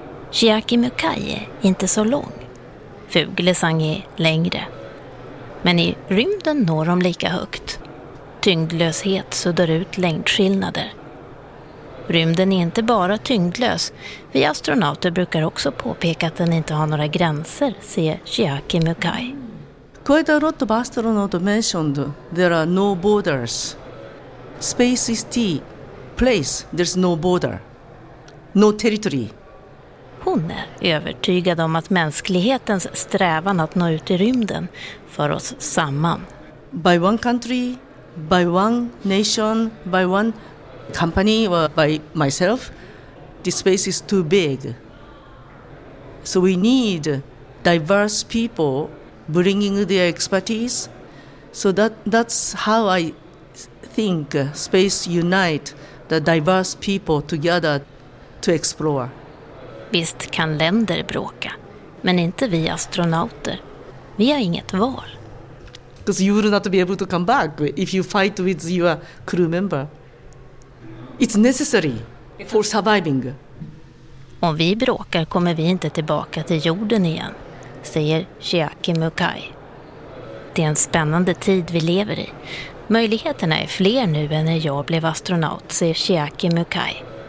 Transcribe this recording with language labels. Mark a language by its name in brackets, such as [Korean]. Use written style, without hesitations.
[Swedish] Chiaki Mukai är inte så lång. Fuglesang är längre. Men i rymden når de lika högt. Tyngdlöshet suddar ut längdskillnader. Rymden är inte bara tyngdlös. Vi astronauter brukar också påpeka att den inte har några gränser, säger Chiaki Mukai. [English] Quite a lot of astronauts mentioned there are no borders. Space is the place, there's no border. No territory. [Swedish] Hon är övertygad om att mänsklighetens strävan att nå ut i rymden för oss samman. [English] By one country, by one nation, by one company or by myself, the space is too big. So we need diverse people bringing their expertise. So that's how I think space unite the diverse people together to explore. [Swedish] Visst kan länder bråka, men inte vi astronauter. Vi har inget val. [English] Because you will not be able to come back if you fight with your crew member. It's necessary for surviving. [Swedish] Om vi bråkar kommer vi inte tillbaka till jorden igen, säger Chiaki Mukai. Det är en spännande tid vi lever i. Möjligheterna är fler nu än när jag blev astronaut, säger Chiaki Mukai.